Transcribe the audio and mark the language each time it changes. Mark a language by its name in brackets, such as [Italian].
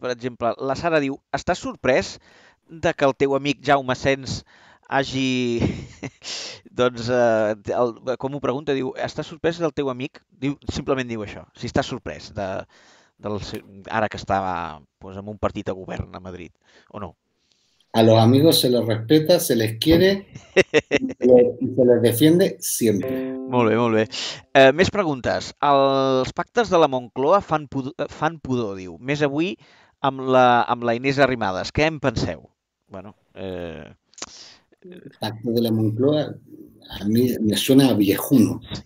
[Catalan] Per exemple, la Sara diu, estàs sorprès de que el teu amic Jaume Sens hagi, doncs, com ho pregunta, diu, estàs sorprès del teu amic? Diu, simplement diu això, si estàs sorprès ara que estava pues, amb un partit de govern a Madrid, o no? [Spanish] A los amigos se les respeta, se les quiere y se les defiende siempre. [Catalan] Molt bé, molt bé. Més preguntes. Els pactes de la Moncloa fan pudor, diu. Més avui amb la Inés Arrimadas. Què en penseu? Bueno, [Spanish] El pacto de la Moncloa a mí me suena a viejuno.